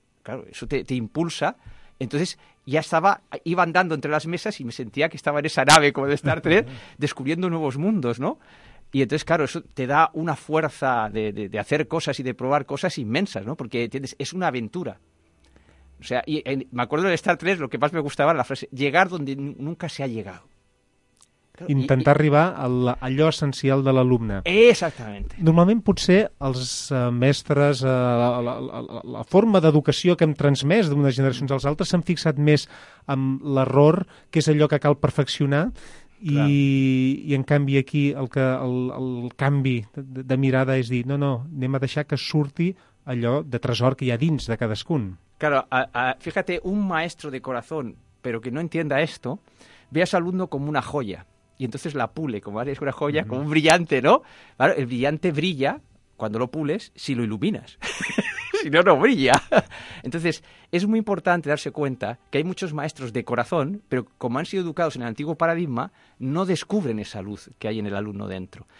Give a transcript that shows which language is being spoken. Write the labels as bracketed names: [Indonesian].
[Spanish] Claro, eso te impulsa. Entonces, ya estaba, iba andando entre las mesas y me sentía que estaba en esa nave como de Star Trek, descubriendo nuevos mundos, ¿no? Y entonces, claro, eso te da una fuerza de hacer cosas y de probar cosas inmensas, ¿no? Porque, ¿entiendes? Es una aventura. O sea, me acuerdo de Star Trek, lo que más me gustaba era la frase, llegar donde nunca se ha llegado. [Catalan] Intentar arribar a allò essencial de l'alumne. Exactament. Normalment, potser, els mestres, la forma d'educació que hem transmès d'unes generacions als altres, s'han fixat més en l'error, que és allò que cal perfeccionar, i en canvi aquí el canvi de mirada és dir, no, anem a deixar que surti allò de tresor que hi ha dins de cadascun. [Spanish] Claro, fíjate, un maestro de corazón, pero que no entienda esto, ve a su alumno como una joya. Y entonces la pule, como es una joya, como un brillante, ¿no? Claro, el brillante brilla cuando lo pules, si lo iluminas. Si no, no brilla. Entonces, es muy importante darse cuenta que hay muchos maestros de corazón, pero como han sido educados en el antiguo paradigma, no descubren esa luz que hay en el alumno dentro.